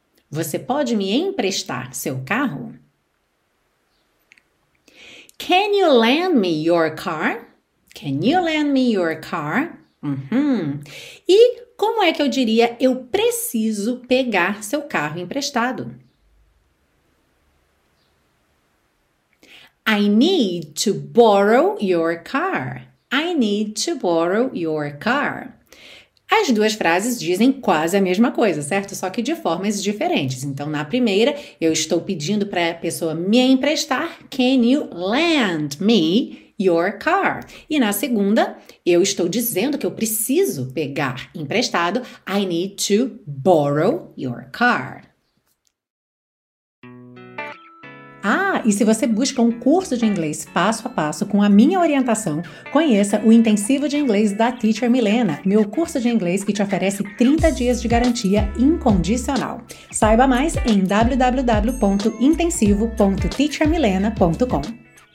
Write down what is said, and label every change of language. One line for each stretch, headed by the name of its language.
Portuguese: Você pode me emprestar seu carro?
English: Can you lend me your car? Can you lend me your car?
Portuguese: E como é que eu diria eu preciso pegar seu carro emprestado?
English: I need to borrow your car. I need to borrow your car.
Portuguese: As duas frases dizem quase a mesma coisa, certo? Só que de formas diferentes. Então, na primeira, eu estou pedindo para a pessoa me emprestar.
English: Can you lend me your car?
Portuguese: E na segunda, eu estou dizendo que eu preciso pegar emprestado.
English: I need to borrow your car.
Portuguese: Ah, e se você busca um curso de inglês passo a passo com a minha orientação, conheça o Intensivo de Inglês da Teacher Milena, meu curso de inglês que te oferece 30 dias de garantia incondicional. Saiba mais em www.intensivo.teachermilena.com.